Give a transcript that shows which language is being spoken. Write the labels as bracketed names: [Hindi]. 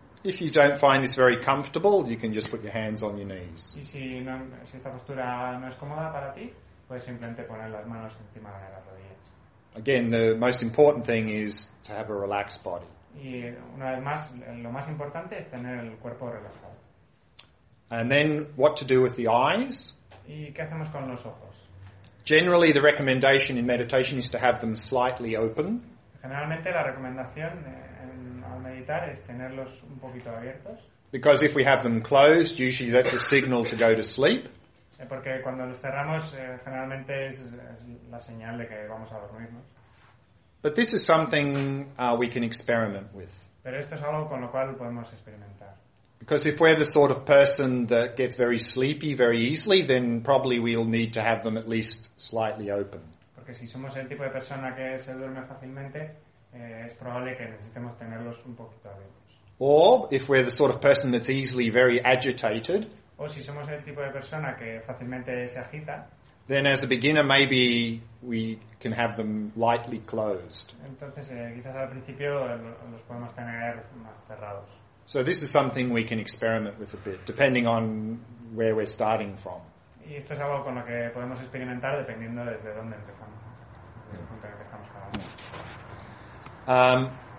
[English] If you don't find this very comfortable, you can just put your hands on your knees. [Spanish] Y si esta postura no es cómoda para ti, puedes simplemente poner las manos encima de las rodillas. [English] Again, the most important thing is to have a relaxed body. [Spanish] Y una vez más, lo más importante es tener el cuerpo relajado. [English] And then, what to do with the eyes? [Spanish] ¿Y qué hacemos con los ojos? [English] Generally, the recommendation in meditation is to have them slightly open. [Spanish] Generalmente, la recomendación meditar es tenerlos un poquito abiertos. [English] Because if we have them closed, usually that's a signal to go to sleep. [Spanish] Porque cuando los cerramos, generalmente es la señal de que vamos a dormirnos. [English] But this is something we can experiment with. [Spanish] Pero esto es algo con lo cual podemos experimentar. [English] Because if we're the sort of person that gets very sleepy very easily, then probably we'll need to have them at least slightly open. [Spanish] Porque si somos el tipo de persona que se duerme fácilmente, es probable que necesitemos tenerlos un poquito abiertos. [English] Or if we're the sort of person that's easily very agitated. [Spanish] O si somos el tipo de persona que fácilmente se agita. [English] Then as a beginner maybe we can have them lightly closed. [Spanish] Entonces quizás al principio los podemos tener más cerrados. [English] So this is something we can experiment with a bit, depending on where we're starting from. [Spanish] Y esto es algo con lo que podemos experimentar dependiendo desde dónde empezamos, desde el punto que empezamos cada uno.